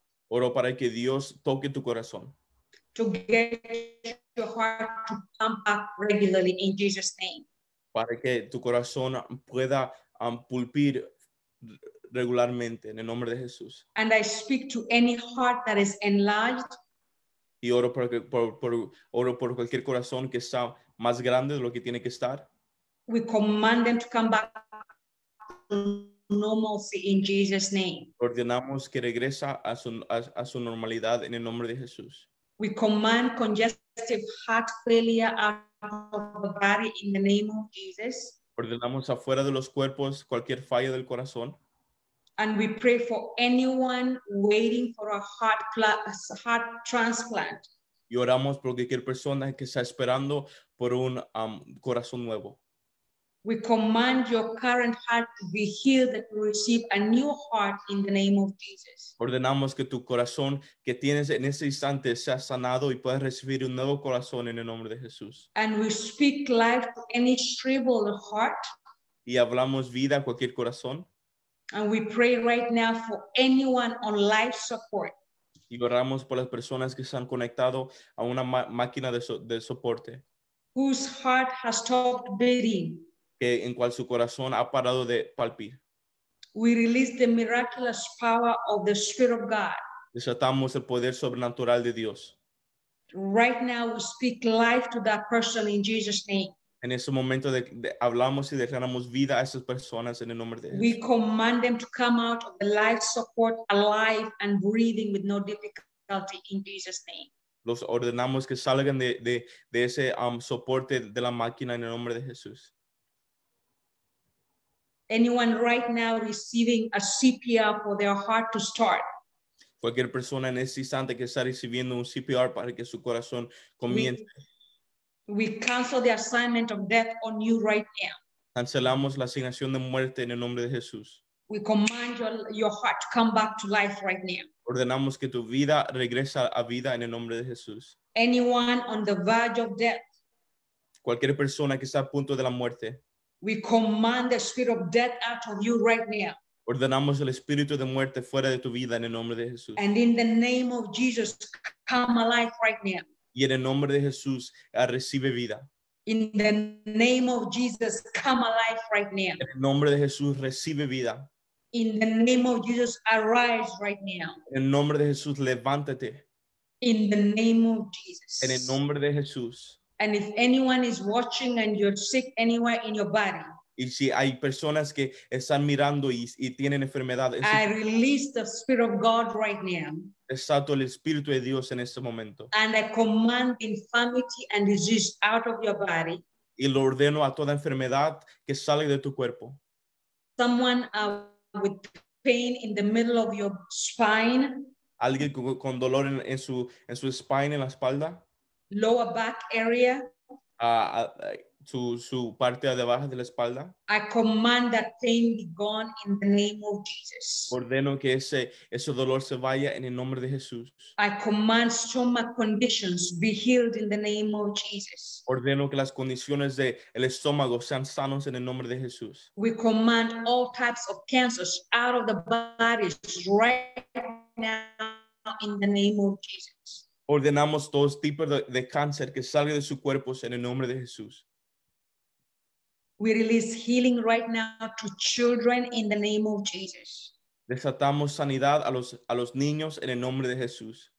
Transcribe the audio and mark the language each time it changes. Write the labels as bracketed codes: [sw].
[es] Oro para que Dios toque tu corazón. [en] To get your heart to pump up regularly in Jesus' name. [es] Para que tu corazón pueda pulpir regularmente en el nombre de Jesús. [en] And I speak to any heart that is enlarged. [es] Y oro por cualquier corazón que está más grande de lo que tiene que estar. [en] We command them to come back to normalcy in Jesus' name. [es] Ordenamos que regresa a su normalidad en el nombre de Jesús. [en] We command congestive heart failure out of the body in the name of Jesus. [es] Ordenamos afuera de los cuerpos cualquier falla del corazón. [en] And we pray for anyone waiting for a heart transplant. [es] Y oramos por cualquier persona que está esperando por un corazón nuevo. [en] We command your current heart to be healed and to receive a new heart in the name of Jesus. [es] Ordenamos que tu corazón que tienes en ese instante sea sanado y puedas recibir un nuevo corazón en el nombre de Jesús. [en] And we speak life to any shriveled heart. [es] Y hablamos vida a cualquier corazón. [en] And we pray right now for anyone on life support. [es] Y oramos por las personas que se han conectado a una máquina de soporte. [en] Whose heart has stopped beating. [es] Que en cual su corazón ha parado de palpir. [en] We release the miraculous power of the Spirit of God. [es] Desatamos el poder sobrenatural de Dios. [en] Right now, we speak life to that person in Jesus' name. [es] En ese momento de hablamos y declaramos vida a esas personas en el nombre de Jesús. [en] We command them to come out of the life support alive and breathing with no difficulty in Jesus' name. [es] Los ordenamos que salgan de ese soporte de la máquina en el nombre de Jesús. [en] Anyone right now receiving a CPR for their heart to start. [es] Cualquier persona en ese instante que está recibiendo un CPR para que su corazón comience. [en] We cancel the assignment of death on you right now. [es] Cancelamos la asignación de muerte en el nombre de Jesús. [en] We command your heart to come back to life right now. [es] Ordenamos que tu vida regresa a vida en el nombre de Jesús. [en] Anyone on the verge of death. [es] Cualquier persona que está a punto de la muerte. [en] We command the spirit of death out of you right now. [es] Ordenamos el espíritu de muerte fuera de tu vida en el nombre de Jesús. [en] And in the name of Jesus, come alive right now. [es] Y en el nombre de Jesús, recibe vida. [en] In the name of Jesus, come alive right now. [es] En el nombre de Jesús, recibe vida. [en] In the name of Jesus, arise right now. [es] En el nombre de Jesús, levántate. [en] In the name of Jesus. [es] En el nombre de Jesús. [en] And if anyone is watching and you're sick anywhere in your body, [es] y si hay personas que están mirando y tienen enfermedades, [en] I release the Spirit of God right now. [es] Exalto el Espíritu de Dios en este momento. [en] And I command infirmity and disease out of your body. [es] Y lo ordeno a toda enfermedad que sale de tu cuerpo. [en] Someone with pain in the middle of your spine. [es] Alguien con dolor en su spine, en la espalda. [en] Lower back area. [es] Su parte de abajo de la espalda. [en] I command that pain be gone in the name of Jesus. [es] Ordeno que ese dolor se vaya en el nombre de Jesús. [en] I command stomach conditions be healed in the name of Jesus. [es] Ordeno que las condiciones del estómago sean sanos en el nombre de Jesús. [en] We command all types of cancers out of the bodies right now in the name of Jesus. [es] Ordenamos todos tipos de cáncer que salga de su cuerpo en el nombre de Jesús. [en] We release healing right now to children in the name of Jesus. [es] Desatamos sanidad a los niños en el nombre de Jesús.